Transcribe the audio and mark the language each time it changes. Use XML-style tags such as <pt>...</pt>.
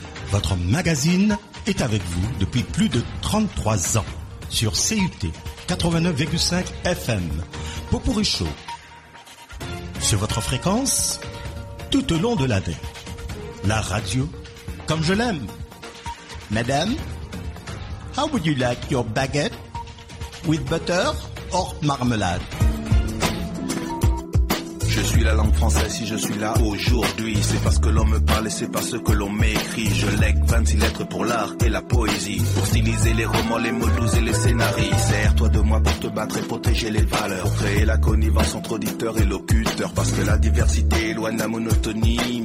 <fr>Votre magazine est avec vous depuis plus de 33 ans. Sur CUT 89,5 FM, Pot Pourri Show, sur votre fréquence, tout au long de l'année, la radio, comme je l'aime.</fr> <en>Madame, how would you like your baguette, with butter or marmalade?</en> <fr>suis la langue française, si je suis là aujourd'hui, c'est parce que l'on me parle et c'est parce que l'on m'écrit. Je lègue 26 lettres pour l'art et la poésie, pour styliser les romans, les mots doux et les scénarios. Sers-toi de moi pour te battre et protéger les valeurs, pour créer la connivence entre auditeurs et locuteurs, parce que la diversité éloigne la monotonie.</fr>